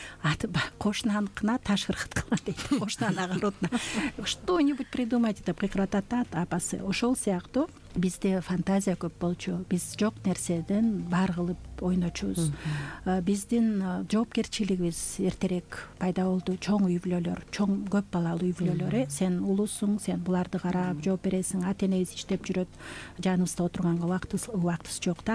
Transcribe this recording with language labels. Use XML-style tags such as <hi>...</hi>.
<ky>Аты кошунаныкына таш ыргыткыла дейт. Кошунанын огородуна.</ky> <ru>Что-нибудь придумайте</ru> <ky>деп кыйкыратат да апасы. Ошол сыяктуу бизде фантазия көп болчу. Биз жок нерседен бар кылып ойночубуз. Биздин жоопкерчилигибиз эртерээк пайда болду. Чоң үй бүлөлөр, чоң көп балалуу үй бүлөлөр, э? Сен улуусуң, сен буларды карап жооп бересиң, ата-энебиз иштеп жүрөт, жаныбызда отурганга убактыбыз жок да.</ky>